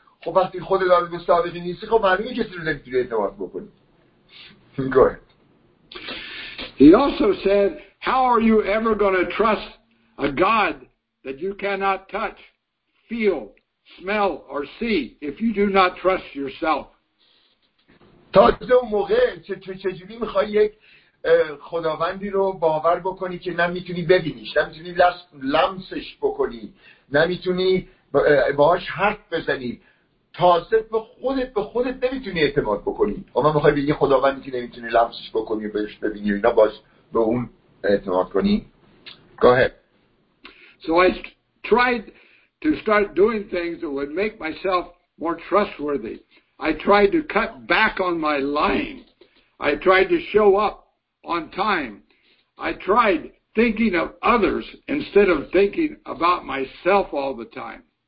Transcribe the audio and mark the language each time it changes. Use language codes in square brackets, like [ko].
[fa] خب وقتی خودت آدم صادقی نیستی، خب معلومه کسی رو نمیتونی اعتماد بکنی. [en] Go ahead. He also said, "How are you ever going to trust a God that you cannot touch, feel, smell, or see if you do not trust yourself?" [fa] تازه اون موقع چجوری میخوای یک خداوندی رو باور بکنی که نمیتونی ببینیش، نمیتونی لمسش بکنی، نمیتونی باهاش حرف بزنی، تازه به خودت نمیتونی اعتماد بکنی. اما میخوای بگی خداوندی که نمیتونی لمسش بکنی و بهش ببینی، نه باش به اون اعتماد کنی. [en] Go ahead. So I tried to start doing things that would make myself more trustworthy. I tried to cut back on my lying. I tried to show up on time. I tried thinking of others instead of thinking about myself all the time.